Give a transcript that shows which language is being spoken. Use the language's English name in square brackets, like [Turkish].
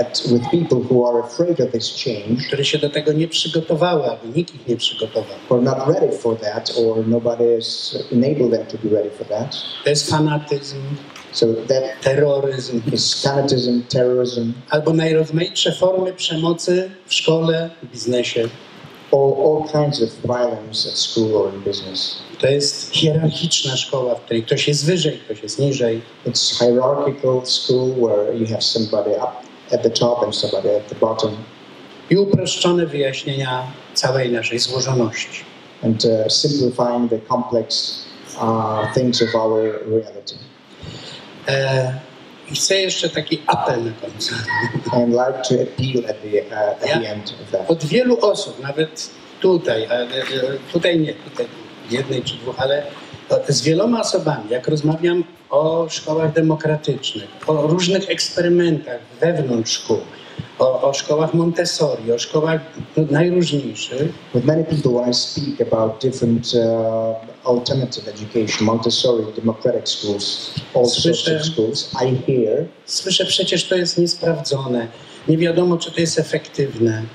[English] with people who are afraid of this change, [Polish] które się do tego nie przygotowały, albo nikt ich nie przygotował. [English] Or not ready for that, or nobody has enabled them to be ready for that. [Polish] To jest fanatyzm. [English] So that [Polish] terroryzm. [English] Is fanatism, terrorism. [Polish] Albo najrozmaitsze formy przemocy w szkole, w biznesie. [English] All kinds of violence at school or in business. [Polish] To jest hierarchiczna szkoła, w której ktoś jest wyżej, ktoś jest niżej. [English] It's hierarchical school where you have somebody up at the top and somebody at the bottom. [Polish] I uproszczone wyjaśnienia całej naszej złożoności. [English] And simplifying the complex things of our reality. [Polish] Chcę jeszcze taki apel na końcu. [English] I'd like to appeal at the end of that. [Polish] Od wielu osób, nawet tutaj, ale tutaj nie, tutaj jednej czy dwóch, ale z wieloma osobami, jak rozmawiam o szkołach demokratycznych, o różnych eksperymentach wewnątrz szkół, o szkołach Montessori, o szkołach najróżniejszych. [English] With many people when I speak about different alternative education, Montessori, democratic schools, all sorts of schools, I hear. [Polish] Słyszę, przecież to jest niesprawdzone. Nie wiadomo, czy to jest efektywne.